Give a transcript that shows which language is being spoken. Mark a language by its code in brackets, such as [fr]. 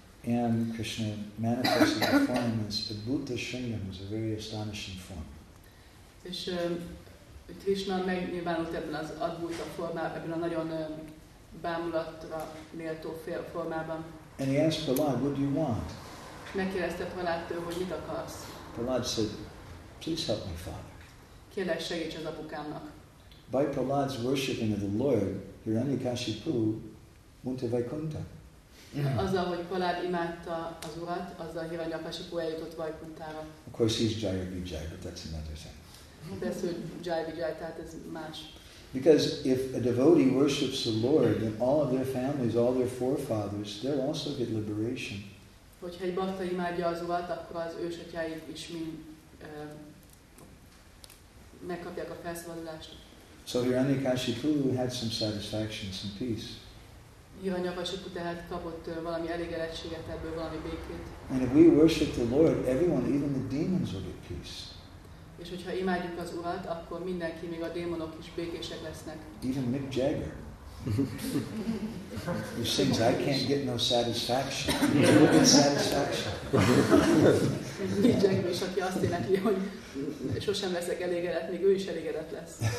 [en] And Krishna manifested the form as Adbhuta Shringam, was a very astonishing form. [hu] És Krishna megnyilvánult ebben az advaita formában, ebben a nagyon bámulatra méltó formában. [en] And he asked Prahlad, what do you want? [hu] Megkérdezte Prahladtól, hogy mit akarsz? [en] Prahlad said, please help me, father. [hu] Kérlek, segíts az apukámnak. [en] By Prahlad's worshiping of the Lord, Hiranyakashipu went to Vaikuntha. [hu] Azzal, hogy Prahlad imádta az urat, azzal Hiranyakashipu eljutott Vaikunthára. [en] Of course he's Jayavijay, but that's another thing. [hu] Persze, hogy Jayavijay, tehát ez más. [en] Because if a devotee worships the Lord, then all of their families, all their forefathers, they'll also get liberation. [hu] Hogyha egy bhakta imádja az urat, akkor az ősatyái is mind megkapják a felszabadulást. [en] So Hiranyakashipu had some satisfaction, some peace. [hu] Hiranyakashipu tehát kapott valami elégedettséget ebből, valami békét. [en] And if we worship the Lord, everyone, even the demons, will get peace. [hu] És hogyha imádjuk az Urat, akkor mindenki, még a démonok is békések lesznek. [en] Even Mick Jagger. He sings, I can't get no satisfaction. No satisfaction. [hu] Mick Jagger is, aki azt jelenti, hogy sosem leszek elégedett, még ő is elégedett lesz.